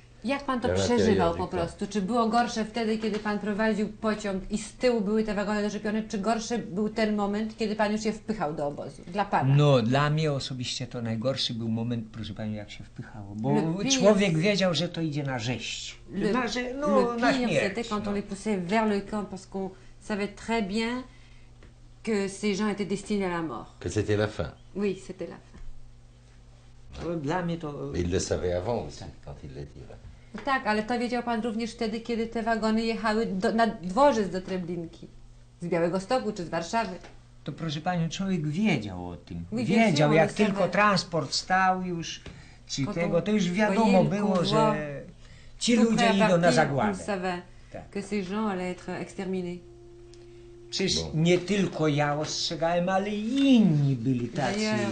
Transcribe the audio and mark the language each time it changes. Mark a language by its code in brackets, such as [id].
[pl] Jak pan to przeżywał po prostu? Czy było gorsze wtedy, kiedy pan prowadził pociąg i z tyłu były te wagony doczepione, czy gorszy był ten moment, kiedy pan już je wpychał do obozu? Dla pana. No, dla mnie osobiście to najgorszy był moment, proszę pani, jak się wpychało, bo człowiek wiedział, że to idzie na rzeź. [fr] Le pire, c'était quand on les poussait vers le camp, parce qu'on savait très bien que ces gens étaient destinés à la mort. Que c'était la fin. Oui, c'était la fin. Mais il le savait avant aussi, quand il l'a dit. [pl] Tak, ale to wiedział pan również wtedy, kiedy te wagony jechały na dworzec do Treblinki. Z Białegostoku czy z Warszawy. To proszę panią, człowiek wiedział o tym. Wiedział, jak tylko transport stał już, czy tego, to już wiadomo było, że ci ludzie idą na zagładę. [fr] On savait, que ces gens allaient être exterminés. [pl] Przecież nie tylko ja ostrzegałem, ale inni byli tacy.